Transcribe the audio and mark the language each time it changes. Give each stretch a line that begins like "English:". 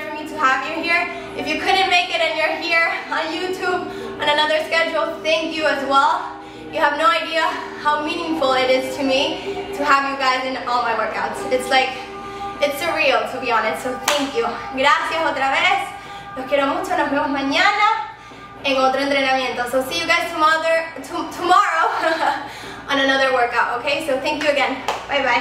English: On YouTube on another schedule, thank you as well. You have no idea how meaningful it is to me to have you guys in all my workouts. It's like, it's surreal to be honest, so thank you.
Spanish: Gracias otra vez. Los quiero mucho, nos vemos mañana en otro entrenamiento.
English: So see you guys tomorrow on another workout, okay? So thank you again. Bye bye.